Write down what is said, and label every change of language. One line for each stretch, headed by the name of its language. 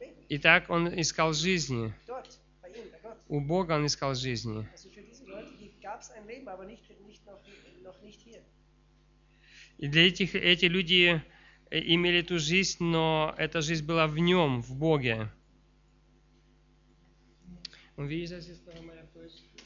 Russian: Итак, он искал жизни. У Бога он искал жизни.
German: gab's ein Leben, aber nicht hier.
Russian: И для этих эти люди имели эту жизнь, но эта жизнь была в нем, в Боге.
German: Und wie ist das jetzt noch einmal auf Deutsch?